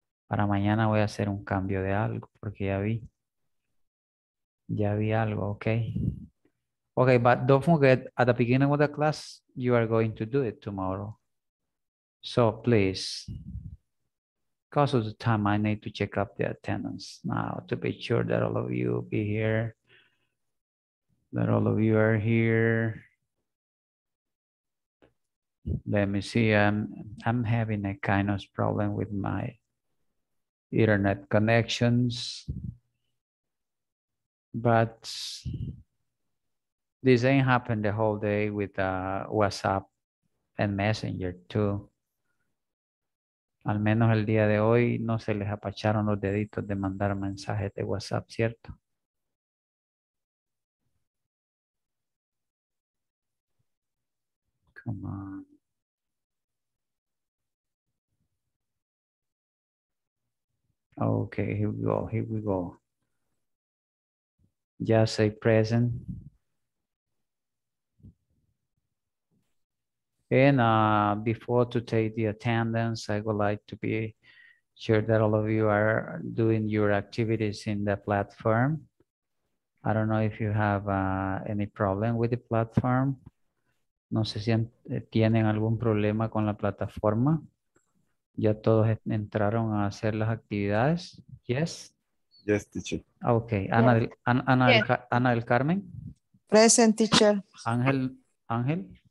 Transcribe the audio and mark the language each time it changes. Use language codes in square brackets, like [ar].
[es] Para mañana voy a hacer un cambio de algo porque ya vi algo, okay. [en] Okay, but don't forget, at the beginning of the class, you are going to do it tomorrow. So please, because of the time, I need to check up the attendance now to be sure that all of you will be here, that all of you are here. Let me see, I'm having a kind of problem with my internet connections, but this ain't happened the whole day with WhatsApp and Messenger too. [es] Al menos el día de hoy no se les apacharon los deditos de mandar mensajes de WhatsApp, ¿cierto? [en] come on. Okay, here we go, here we go. Just say present. And before to take the attendance, I would like to be sure that all of you are doing your activities in the platform. I don't know if you have any problem with the platform. [es] No sé si tienen algún problema con la plataforma. Ya todos entraron a hacer las actividades. Yes? [en] Yes, teacher. Okay. Ana del Carmen? Present, teacher. Ángel? Ángel?